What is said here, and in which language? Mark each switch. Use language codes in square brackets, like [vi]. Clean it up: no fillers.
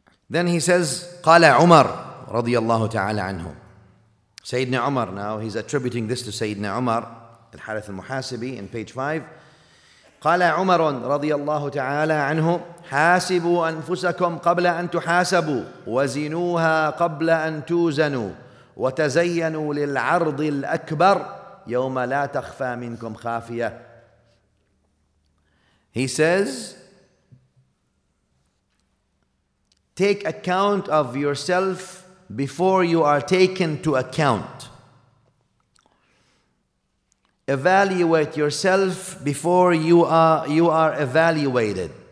[en] Then he says, [ar] قال عمر رضي الله تعالى عنه. [en] Sayyidina Umar, now he's attributing this to Sayyidina Umar, al-Harith al-Muhasibi, in page 5. [ar] قال عمر رضي الله تعالى عنه حاسبوا أنفسكم قبل أن تحاسبوا وزنوها قبل أن توزنوا وتزينوا للعرض الأكبر يوم لا تخفى منكم خافية. [en] He says, take account of yourself before you are taken to account. Evaluate yourself before you are evaluated.